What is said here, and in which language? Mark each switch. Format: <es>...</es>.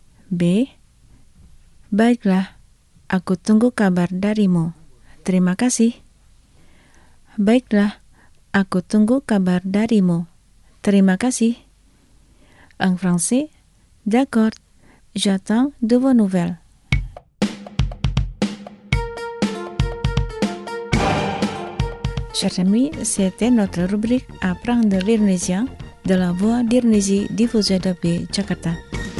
<id>B. Baiklah, aku tunggu kabar darimu. Terima kasih. Baiklah, aku tunggu kabar darimu. Terima kasih.</id> <fr>En français, d'accord. J'attends de vos nouvelles. Chers amis, c'était notre rubrique Apprendre l'Indonésien de la Voix d'Indonésie diffusée depuis Jakarta.</fr>